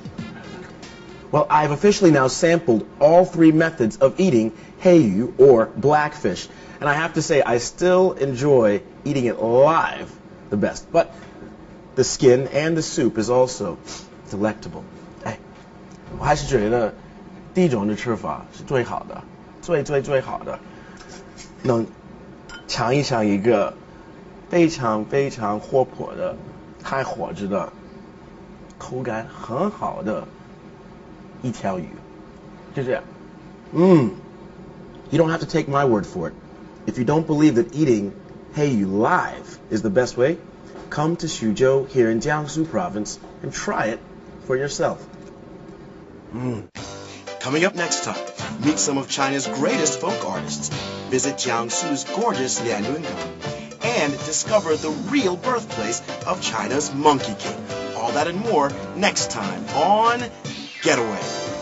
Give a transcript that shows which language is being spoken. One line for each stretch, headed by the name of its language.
English: 。Well, I've officially now sampled all three methods of eating heyu or blackfish, and I have to say I still enjoy eating it live the best. But the skin and the soup is also delectable.
Chinese: 哎，我还是觉得第一种的吃法是最好的，最最最好的，能尝一尝一个非常非常活泼的、还活着的、口感很好的。一条鱼，就这样。
English: You don't have to take my word for it. If you don't believe that eating heyu live is the best way, come to Chuzhou here in Jiangsu Province and try it for yourself. Coming up next time, meet some of China's greatest folk artists, visit Jiangsu's gorgeous Lianyungang, and discover the real birthplace of China's Monkey King. All that and more next time on...Getaway.